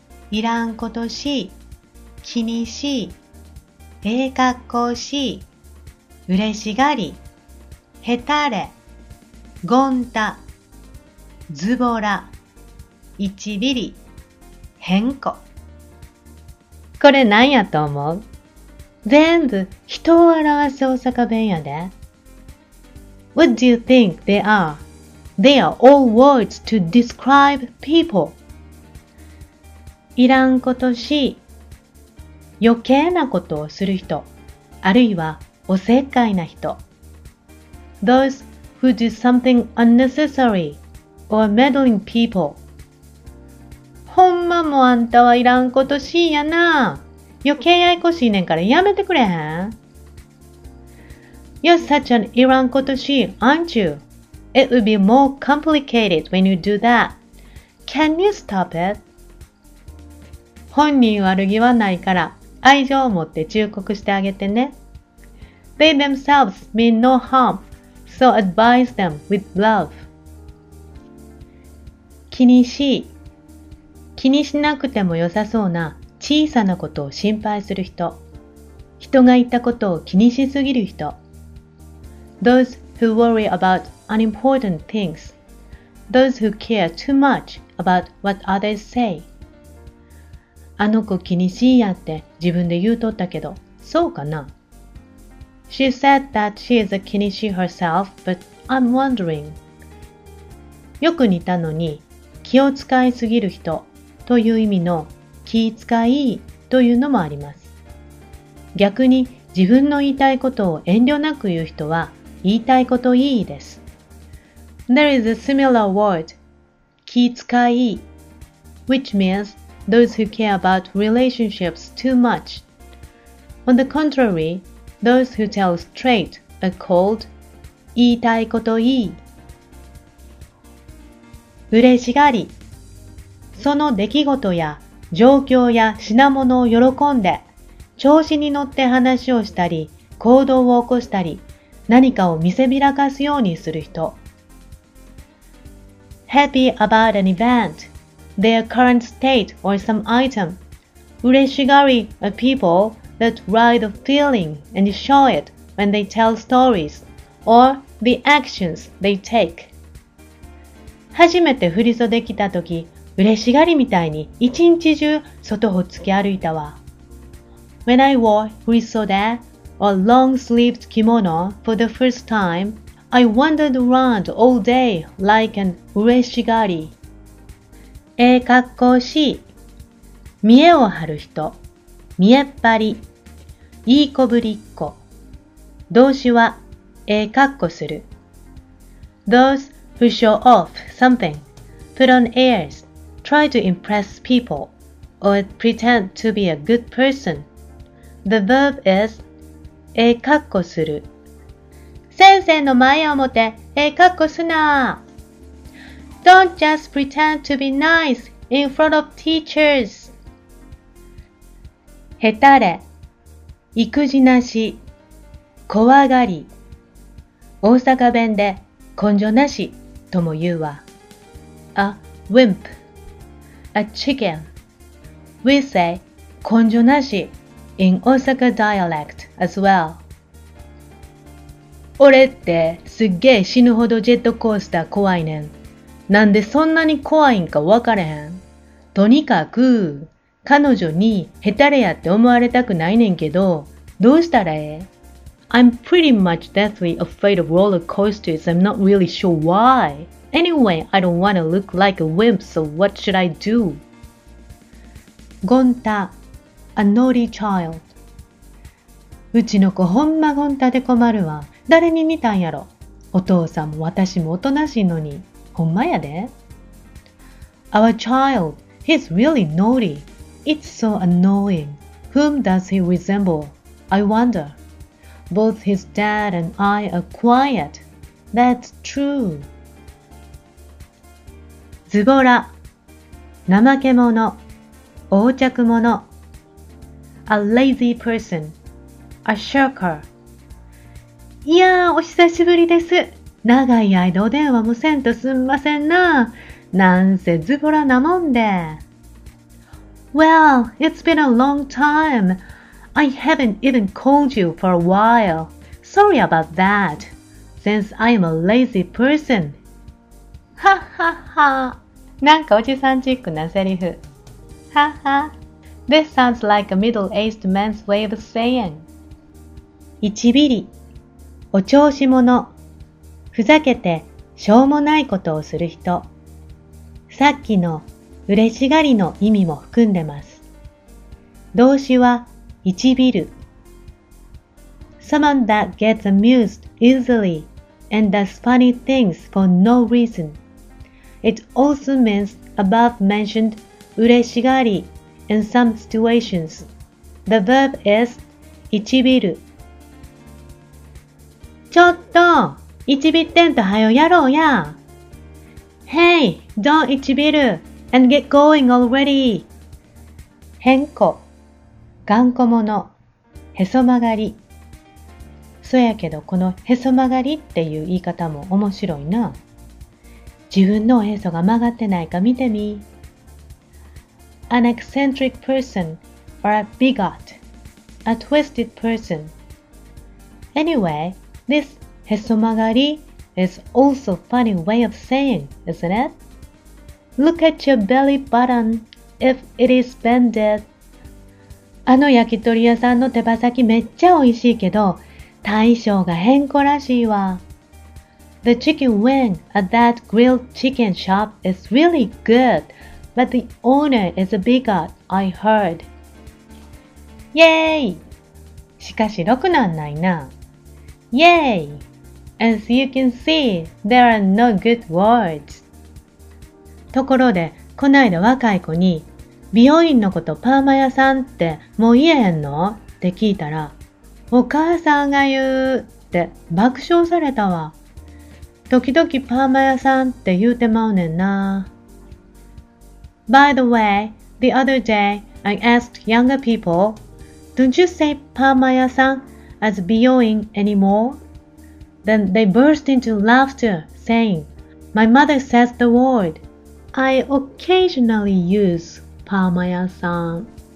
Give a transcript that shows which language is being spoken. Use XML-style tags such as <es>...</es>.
<ja>いらんことし、気にし、ええ格好し、うれしがり、へたれ、ごんた、ズボラ、いちびり、へんこ。これなんやと思う？全部人を表す大阪弁やで。</ja> <en>What do you think they are? They are all words to describe people.</en> <ja>いらんことし、余計なことをする人、あるいはおせっかいな人。</ja> <en>Those who do something unnecessary or meddling people.</en> <ja>ほんまもあんたはいらんことしやな。余計ややこしいねんからやめてくれへん？</ja> <en>You're such an いらんことし、aren't you? It would be more complicated when you do that. Can you stop it?</en> <ja>本人悪気はないから愛情を持って忠告してあげてね。</ja> <en>They themselves mean no harm, so advise them with love.</en> <ja>気にし、気にしなくても良さそうな小さなことを心配する人。人が言ったことを気にしすぎる人。</ja> <en>Those who worry about unimportant things. Those who care too much about what others say.</en> <ja>あの子気にしいやって自分で言うとったけど、そうかな？</ja> <en>She said that she is a 気にし herself, but I'm wondering.</en> <ja>よく似たのに、気を使いすぎる人という意味の気遣いというのもあります。逆に自分の言いたいことを遠慮なく言う人は言いたいこといいです。</ja> <en>There is a similar word, 気遣い、which means those who care about relationships too much. On the contrary, those who tell straight are called</en> <ja>言いたいこといい。嬉しがり、その出来事や状況や品物を喜んで、調子に乗って話をしたり、行動を起こしたり、何かを見せびらかすようにする人。</ja> <en>Happy about an event, their current state or some item. 嬉しがり are people that ride the feeling and show it when they tell stories or the actions they take.</en> <ja>初めて振り袖着たとき、嬉しがりみたいに一日中外をつき歩いたわ。</ja> <en>When I wore 振り袖 or long-sleeved kimono for the first time, I wandered around all day like an 嬉しがり。</en> <ja>ええ格好し、見栄を張る人、見栄っ張り、いいこぶりっ子。動詞はええ格好する。</ja> <en>Those who show off something, put on airs,try to impress people, or pretend to be a good person. The verb is,</en> <ja>ええ格好する。先生の前をもて、ええ格好すな。</ja> <en>Don't just pretend to be nice in front of teachers.</en> <ja>へたれ、意気地なし、怖がり。大阪弁で、根性なしとも言うわ。</ja> <en>A wimp. A chicken. We say 根性なし in Osaka dialect as well.</en> <ja>俺ってすっげえ死ぬほどジェットコースター怖いねん。なんでそんなに怖いんか分かれへん。とにかく彼女にヘタレやって思われたくないねんけど、どうしたらええ</ja> <en>？ I'm pretty much deathly afraid of roller coasters. I'm not really sure why. Anyway, I don't want to look like a wimp, so what should I do? ゴンタ、a naughty child.</en> <ja>うちの子ほんまゴンタで困るわ。誰に似たんやろ。お父さんも私もおとなしいのに、ほんまやで。</ja> <en>Our child, he's really naughty. It's so annoying. Whom does he resemble? I wonder. Both his dad and I are quiet. That's true.</en> <ja>ズボラ、怠け者、横着者。</ja> <en>A lazy person, a shirker.</en> <ja>いやー、お久しぶりです。長い間お電話もせんとすんませんな。なんせズボラなもんで。</ja> <en>Well, it's been a long time. I haven't even called you for a while. Sorry about that, since I am a lazy person. Ha ha ha.</en> <ja>なんかおじさんチックなセリフ。 ha ha.</ja> <en>This sounds like a middle-aged man's way of saying.</en> <ja>一ビリ。お調子者。ふざけてしょうもないことをする人。さっきの嬉しがりの意味も含んでます。動詞は、いちびる。</ja> <en>Someone that gets amused easily and does funny things for no reason. It also means above mentioned 嬉しがり in some situations. The verb is いちびる。</en> <ja>ちょっと、いちびってんとはよやろうや。</ja> <en>Hey, don't いちびる。 And get going already.</en> <ja>変故、頑固者、へそ曲がり。そやけどこのへそ曲がりっていう言い方も面白いな。自分のへそが曲がってないか見てみ。</ja> <en>An eccentric person or a bigot, a twisted person. Anyway, this へそ曲がり is also a funny way of saying, isn't it? Look at your belly button if it is bended.</en> <ja>あの焼き鳥屋さんの手羽先めっちゃ美味しいけど、大将が変更らしいわ。</ja> <en>The chicken wing at that grilled chicken shop is really good, but the owner is a bigot, I heard. イェーイ。</en> <ja>しかしろくなんないな。イェーイ。</ja> <en>As you can see, there are no good words.</en> <ja>ところで、こないだ若い子に、美容院のことパーマ屋さんってもう言えへんの? って聞いたら、お母さんが言うって爆笑されたわ。時々パーマ屋さんって言うてまうねんな。</ja> <en>By the way, the other day I asked younger people, don't you say パーマ屋さん as 美容院 anymore? Then they burst into laughter, saying, my mother says the word. I occasionally use パーマ屋さん。</en>